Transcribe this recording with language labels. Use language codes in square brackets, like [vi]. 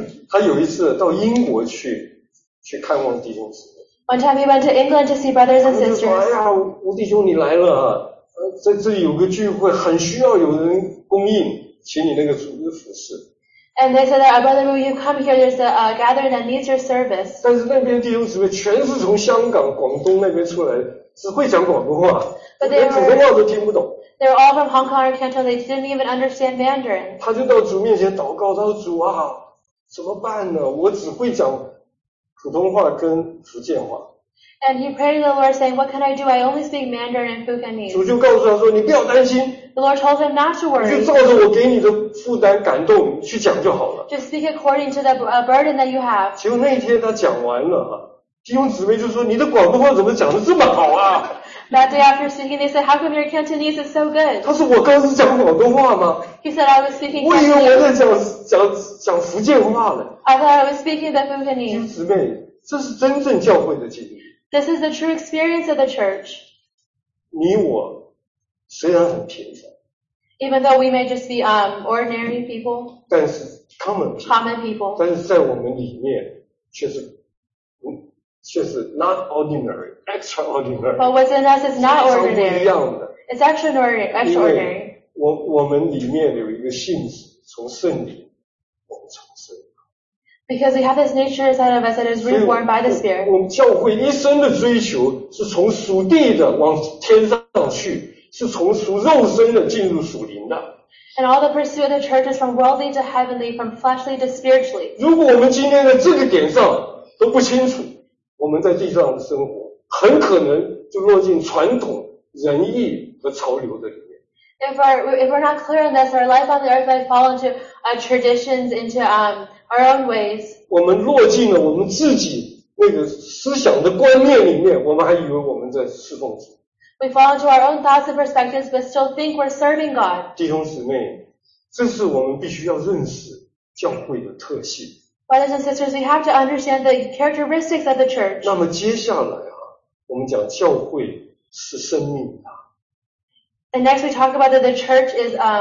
[zh] 他有一次到英国去看望弟兄姊妹。 [en] One time he went to England to see brothers and sisters. [zh] 他就说，哎呀，吴弟兄你来了啊，在这里有个聚会，很需要有人供应，请你那个组织服侍。 [en] And they said that, brother, when you come here, there's a gathering that needs your service. [zh] 但是那边弟兄姊妹全是从香港、广东那边出来，只会讲广东话，连普通话都听不懂。 [en] They're all from Hong Kong or Canton. They didn't even understand Mandarin. [zh] 他就到主面前祷告，他说：“主啊，怎么办呢？我只会讲普通话跟福建话。” [en] And he prayed to the Lord, saying, "What can I do? I only speak Mandarin and Fukianese." [zh] 主就告诉他说：“你不要担心。” [en] The Lord told him not to worry. [zh] 就照着我给你的负担感动去讲就好了。 [en] Just speak according to the burden that you have. [zh] 结果那天他讲完了，弟兄姊妹就说：“你的广东话怎么讲得这么好啊？” [en] That day after speaking, they said, "How come your Cantonese is so good?" [zh] 他说：“我刚是讲广东话吗？” [en] He said, "I was speaking Cantonese." [zh] 我以为我在讲福建话了。 [en] I thought I was speaking the Fukianese. [zh] 弟兄姊妹，这是真正教会的经历。 [en] This is the true experience of the church. [zh] 你我虽然很平凡。 [en] Even though we may just be ordinary people. [zh] 但是 [en] common people. [zh] 但是在我们里面却是。却是 [en] not ordinary, extraordinary. But within us is not ordinary. It's extraordinary. [zh] 因为我们里面有一个性质，从圣灵，我们重生。 [en] Because we have this nature inside of us that is reborn by the Spirit. [zh] 我们教会一生的追求是从属地的往天上去，是从属肉身的进入属灵的。 [en] And all the pursuit of the church is from worldly to heavenly, from fleshly to spiritually. [zh] 如果我们今天在这个点上都不清楚。我们在地上的生活很可能就落进传统仁义和潮流的里面。 [en] If we're not clear on this, our life on the earth might fall into traditions, into our own ways. [zh] 我们落进了我们自己那个思想的观念里面，我们还以为我们在侍奉主。 [en] We fall into our own thoughts and perspectives, but still think we're serving God. [zh] 弟兄姊妹，这是我们必须要认识教会的特性。 [en] Brothers and sisters, we have to understand the characteristics of the church. [zh] 那么接下来啊，我们讲教会是生命啊。 [en] And next we talk about that the church is,